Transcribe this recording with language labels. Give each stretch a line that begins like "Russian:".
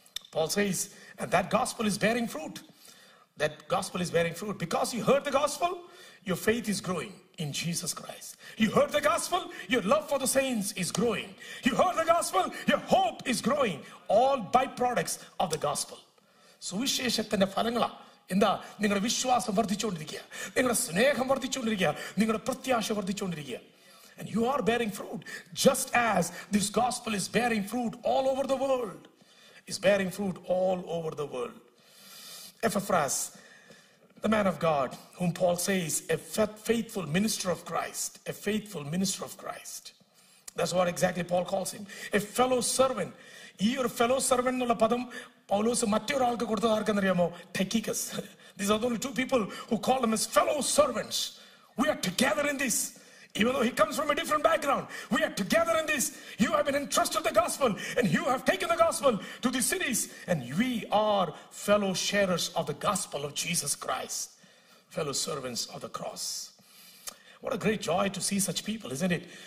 English: Paul says, and that gospel is bearing fruit. That gospel is bearing fruit. Because you heard the gospel, your faith is growing in Jesus Christ. You heard the gospel, your love for the saints is growing. You heard the gospel, your hope is growing. All byproducts of the gospel.
Malayalam: സുവിശേഷത്തിന്റെ ഫലങ്ങള എന്താ? നിങ്ങളുടെ വിശ്വാസം വർദ്ധിച്ചുകൊണ്ടിരിക്കുക, നിങ്ങളുടെ സ്നേഹം വർദ്ധിച്ചുകൊണ്ടിരിക്കുക, നിങ്ങളുടെ പ്രത്യാശ വർദ്ധിച്ചുകൊണ്ടിരിക്കുക.
English: And you are bearing fruit, just as this gospel is bearing fruit all over the world. Is bearing fruit all over the world. Epaphras, the man of God, whom Paul says, a faithful minister of Christ. That's what exactly Paul calls him. A fellow servant.
Malayalam: ഈ ഒരു fellow servant എന്നുള്ള പദം പൗലോസ് മറ്റൊരാൾക്ക് കൊടുത്തത് ആർക്കെന്നറിയാമോ? ടൈക്കിക്കസ്.
English: These are the only two people who call him his fellow servants. We are together in this. Even though he comes from a different background, we are together in this. You have been entrusted the gospel and you have taken the gospel to these cities. And we are fellow sharers of the gospel of Jesus Christ. Fellow servants of the cross. What a great joy to see such people, isn't it?